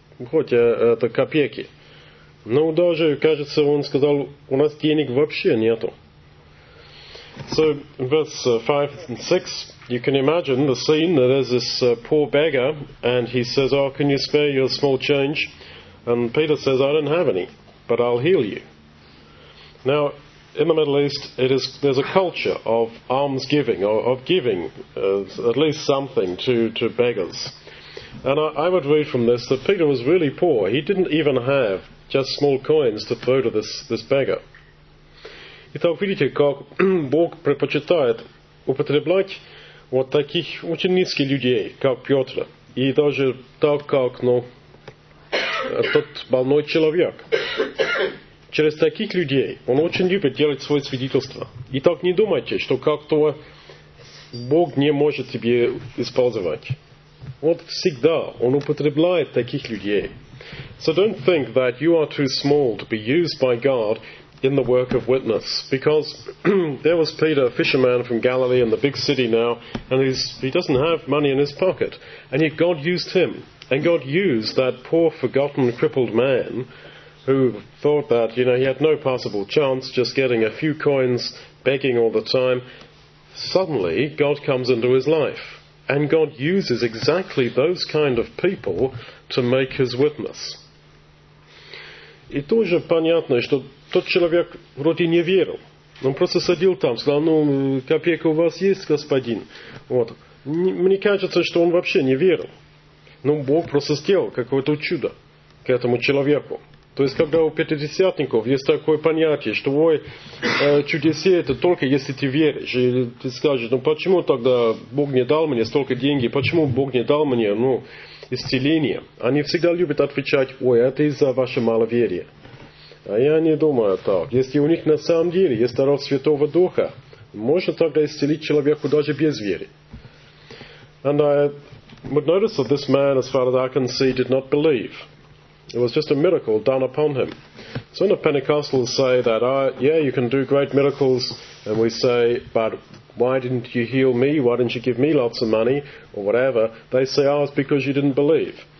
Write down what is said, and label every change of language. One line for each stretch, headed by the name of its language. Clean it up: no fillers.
Russian: Хоть это копейки. Но даже, кажется, он сказал, у нас денег вообще нету.
English: So, verse 5 and 6, you can imagine the scene. There's this poor beggar, and he says, "Oh, can you spare your small change?" And Peter says, "I don't have any, but I'll heal you." Now, in the Middle East, there's a culture of almsgiving, or of giving at least something to beggars. And I would read from this that Peter was really poor. He didn't even have just small coins to throw to this beggar.
Russian: Итак, видите, как Бог предпочитает употреблять вот таких очень низких людей, как Петр, и даже так, как, ну, тот больной человек. Через таких людей он очень любит делать свое свидетельство. Итак, не думайте, что как-то Бог не может тебе использовать. Вот всегда он употребляет таких людей.
English: So don't think that you are too small to be used by God in the work of witness, because there was Peter, a fisherman from Galilee in the big city now, and he doesn't have money in his pocket, and yet God used him, and God used that poor, forgotten, crippled man who thought that, you know, he had no possible chance, just getting a few coins, begging all the time. Suddenly God comes into his life, and God uses exactly those kind of people to make his witness.
Russian: И тоже понятно, что тот человек вроде не верил. Он просто садил там, сказал: «Ну, копейка у вас есть, господин?» Вот. Мне кажется, что он вообще не верил. Но Бог просто сделал какое-то чудо к этому человеку. То есть, когда у пятидесятников есть такое понятие, что «Ой, чудеса это только если ты веришь». И ты скажешь: «Ну, почему тогда Бог не дал мне столько денег? Почему Бог не дал мне, ну, исцеление?» Они всегда любят отвечать: «Ой, это из-за вашего маловерия». А я не думаю так. Если у них на самом деле есть дар Святого Духа, можно тогда исцелить человеку даже без веры.
English: And I would notice that this man, as far as I can see, did not believe. It was just a miracle done upon him. So the Pentecostals say that, yeah, you can do great miracles, and we say, but why didn't you heal me? Why didn't you give me lots of money? Or whatever. They say, it's because you didn't believe.